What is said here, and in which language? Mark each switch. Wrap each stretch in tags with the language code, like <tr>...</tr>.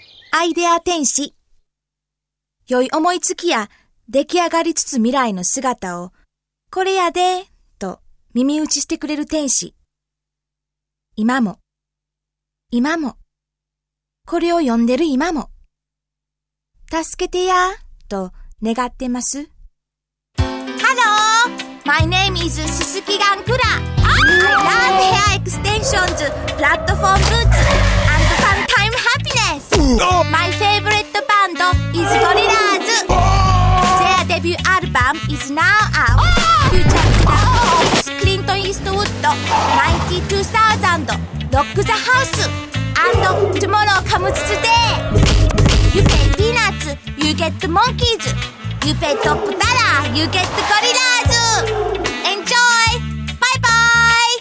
<ja>アイデア天使、良い思いつきや出来上がりつつ未来の姿を、これやで、と耳打ちしてくれる天使。今も、今も、これを読んでる今も、助けてや、と願ってます。</ja> <en>ハロー！ My name is すすきがんくら！ I learn hair extensions, platform boots, and fun time happiness! My favorite band is ゴリラーズ！デビューアルバム is now out. You check it out. Clint Eastwood, 92000, Rock the House, and Tomorrow Comes Today. You pay peanuts, you get monkeys. You pay top dollar, you get gorillas. Enjoy. Bye bye.</en>